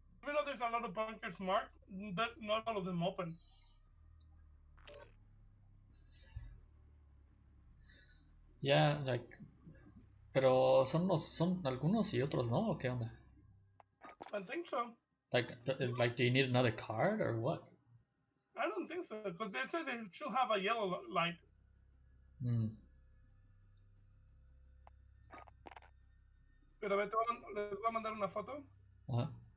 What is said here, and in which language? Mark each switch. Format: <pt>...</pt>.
<en>Even though there's a lot of bunkers marked, but not all of them open. Yeah, like,</en> <es>pero son algunos y otros, ¿no? ¿O qué onda?</es> <en>I think so. Like, do you need another card or what? I don't think so, because they said they should have a yellow light. Hmm.</en> <es>Pero a ver, les voy a mandar una foto.</es>